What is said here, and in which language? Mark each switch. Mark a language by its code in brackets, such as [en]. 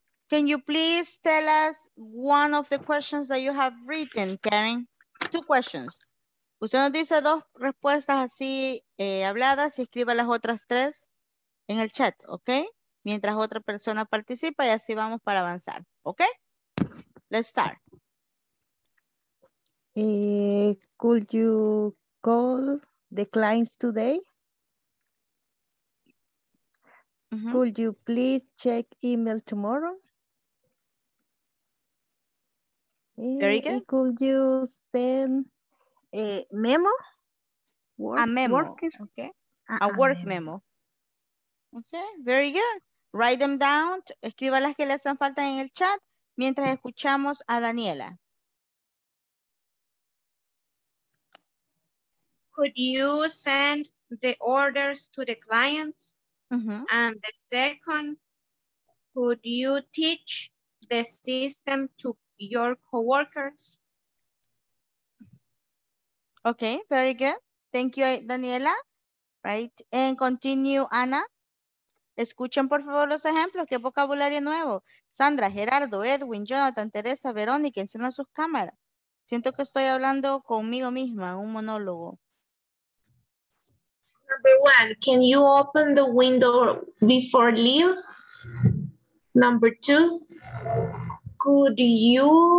[en] Can you please tell us one of the questions that you have written, Karen? Two questions. [es] Usted nos dice dos respuestas así habladas y escriba las otras tres en el chat, ¿ok? Mientras otra persona participa y así vamos para avanzar, ¿ok? [en] Let's start. Could you call the clients today? Mm-hmm. Could you please check email tomorrow? Very good. Could you send... memo? Work, a memo. Okay. A work memo. Okay, very good. Write them down. [es] Escriba las que le hacen falta en el chat mientras escuchamos a Daniela. [en] Could you send the orders to the clients? Mm-hmm. And the second, could you teach the system to your coworkers? Okay, very good. Thank you, Daniela. Right, and continue, Ana. [es] Escuchen, por favor, los ejemplos. ¿Qué vocabulario nuevo? Sandra, Gerardo, Edwin, Jonathan, Teresa, Verónica, encienda sus cámaras. Siento que estoy hablando conmigo misma, un monólogo. [en] Number one, can you open the window before leave? Number two, could you...